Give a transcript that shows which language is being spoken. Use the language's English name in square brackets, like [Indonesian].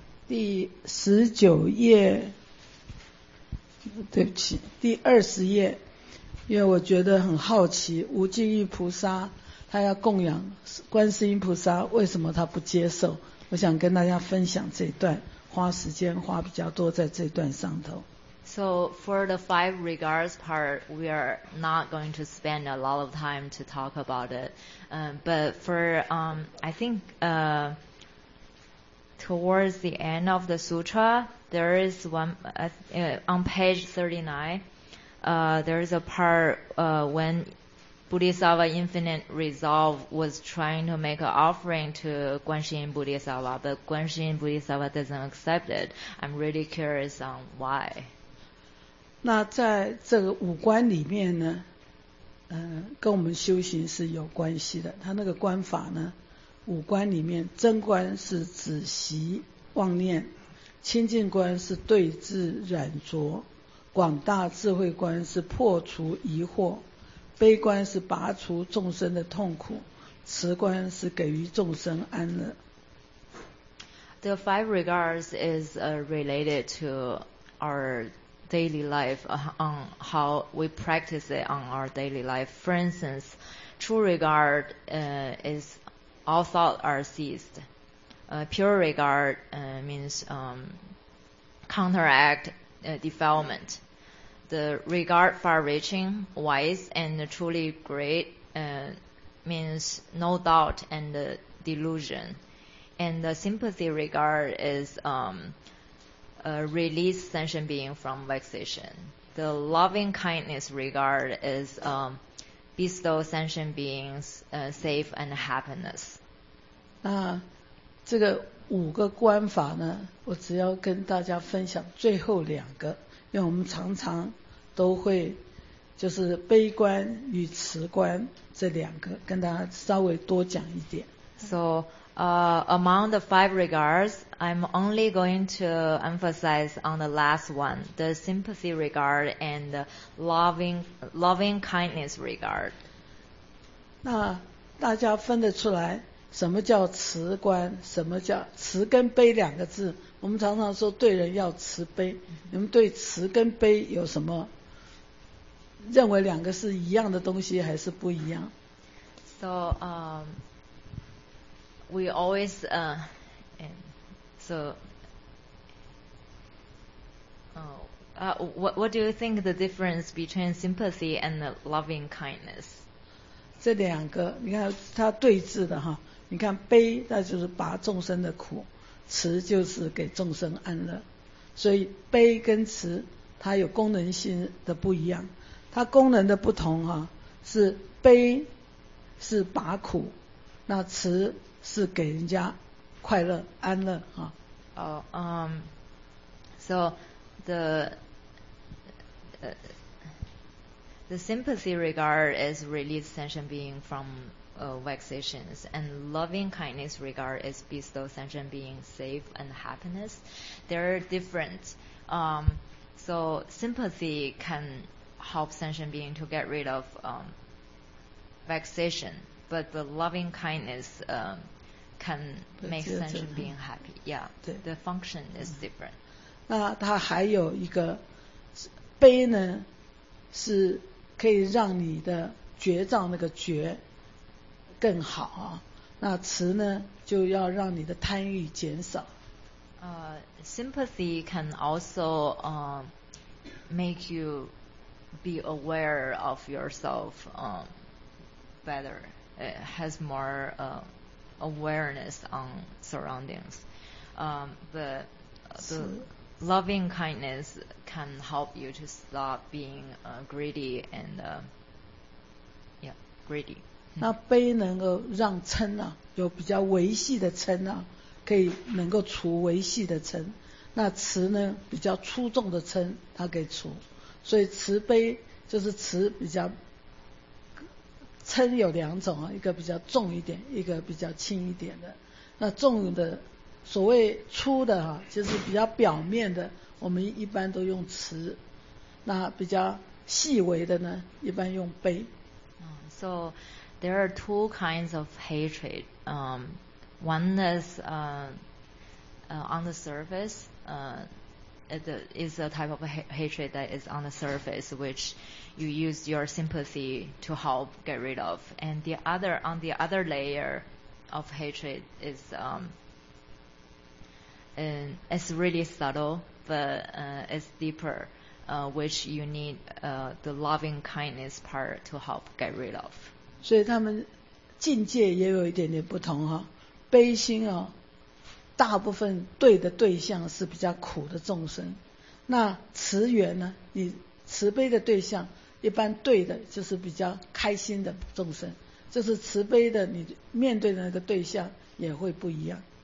[Chinese] 第十九页。对不起，第二十页。因为我觉得很好奇，无尽意菩萨他要供养观世音菩萨，为什么他不接受？我想跟大家分享这一段，花时间花比较多在这段上头。 [English] So for the five regards part, we are not going to spend a lot of time to talk about it. But for, I think, towards the end of the sutra, there is one, on page 39, there is a part when Bodhisattva Infinite Resolve was trying to make an offering to Guanxin Bodhisattva, but Guanxin Bodhisattva doesn't accept it. I'm really curious on why. [Chinese] 那在这个五观里面呢，跟我们修行是有关系的。他那个观法呢，五观里面真观是止习妄念，清净观是对治染浊，广大智慧观是破除疑惑，悲观是拔除众生的痛苦，慈观是给予众生安乐。 [English] The five regards is related to our daily life, on how we practice it on our daily life. For instance, true regard is all thoughts are ceased. Pure regard means counteract defilement. The regard far-reaching, wise, and truly great means no doubt and delusion. And the sympathy regard is release sentient being from vexation. The loving kindness regard is bestow sentient beings safe and happiness. [Chinese] 那这个五个观法呢，我只要跟大家分享最后两个，因为我们常常都会就是悲观与慈观这两个跟大家稍微多讲一点。 [English] SoAmong the five regards, I'm only going to emphasize on the last one, the sympathy regard and the loving kindness regard. [Chinese] 那大家分得出来什么叫慈观，什么叫慈跟悲两个字。我们常常说对人要慈悲，你们对慈跟悲有什么认为，两个是一样的东西还是不一样？ [English] So, we always what do you think the difference between sympathy and loving kindness? [Chinese] 这两个你看它对峙的哈，你看悲那就是拔众生的苦，慈就是给众生安乐，所以悲跟慈它有功能性的不一样。它功能的不同哈，是悲是拔苦，那慈是给人家快乐安乐啊。 [English] So the sympathy regard is release sentient being from vexations, and loving kindness regard is bestow sentient being safe and happiness. They're different. So sympathy can help sentient being to get rid of vexation, but the loving kindness can make sentient being happy. Yeah, the function is different. [Chinese] 那它还有一个悲呢，是可以让你的觉照那个觉更好啊。那慈呢，就要让你的贪欲减少。 [English] Sympathy can also make you be aware of yourself better. It has more awareness on surroundings. But the loving kindness can help you to stop being greedy and greedy. [Chinese] 那悲能够让嗔啊，有比较维系的嗔啊，可以能够除维系的嗔。那慈呢，比较粗重的嗔，它可以除。所以慈悲就是慈比较。嗔有两种啊，一个比较重一点，一个比较轻一点的。那重的，所谓粗的哈、啊，就是比较表面的，我们一般都用慈；那比较细微的呢，一般用悲。 [English] So there are two kinds of hatred. One is on the surface. It is a type of hatred that is on the surface, which you use your sympathy to help get rid of. And the other, on the other layer of hatred is, and it's really subtle, but it's deeper. which you need the loving kindness part to help get rid of. [Chinese] 所以他们境界也有一点点不同哈、哦，悲心啊、哦，大部分对的对象是比较苦的众生，那慈缘呢，你慈悲的对象一般对的就是比较开心的众生，就是慈悲的你面对的那个对象也会不一样。